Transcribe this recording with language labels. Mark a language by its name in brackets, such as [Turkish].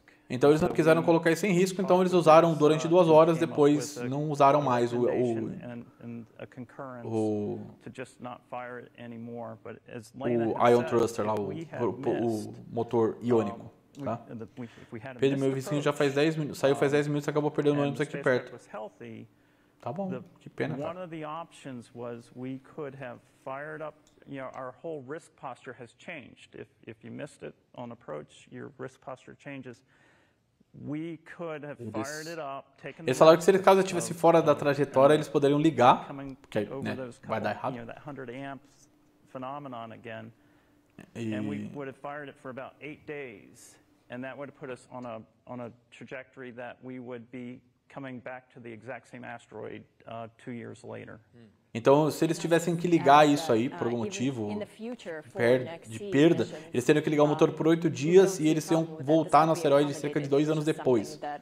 [Portuguese] Então, eles não quiseram colocar isso em risco, então eles usaram durante 2 horas, depois não usaram mais o ion thruster, lá, o motor iônico. Tá? Pedro, meu vizinho já faz 10 minutos, saiu faz 10 minutos e acabou perdendo o ônibus aqui perto. Tá bom, que pena. [English] One of the options was we could have fired up, you know, our whole risk posture has changed. If you missed it on approach, your risk posture changes. We could have fired it up, taken. [Portuguese] Esse falou que se ele caso estivesse fora da trajetória, eles poderiam ligar, porque, né, vai dar errado. [English] That 100 amps phenomenon again. And we would have fired it for about 8 days, and that would have put us on a trajectory that we would be coming back to the exact same asteroid 2 years later. [Portuguese] Então, se eles tivessem que ligar isso aí por algum motivo de perda, eles teriam que ligar o motor por 8 dias e eles iam voltar no asteroide cerca de 2 anos depois.